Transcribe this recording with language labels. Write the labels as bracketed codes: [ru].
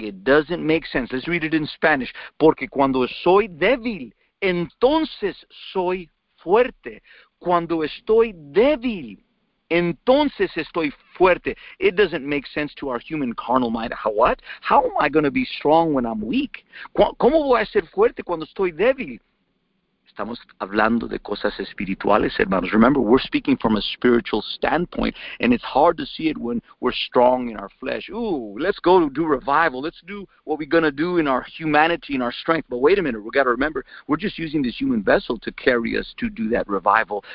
[en] It doesn't make sense. Let's read it in Spanish. [es] Porque cuando soy débil, entonces soy fuerte. Cuando estoy débil, entonces estoy fuerte. [en] It doesn't make sense to our human carnal mind. What? How am I going to be strong when I'm weak? [es] ¿Cómo voy a ser fuerte cuando estoy débil? Estamos hablando de cosas espirituales, hermanos. [en] Remember, we're speaking from a spiritual standpoint, and it's hard to see it when we're strong in our flesh. Ooh, let's go do revival. Let's do what we're going to do in our humanity, in our strength. But wait a minute, we got to remember, we're just using this human vessel to carry us to do that revival.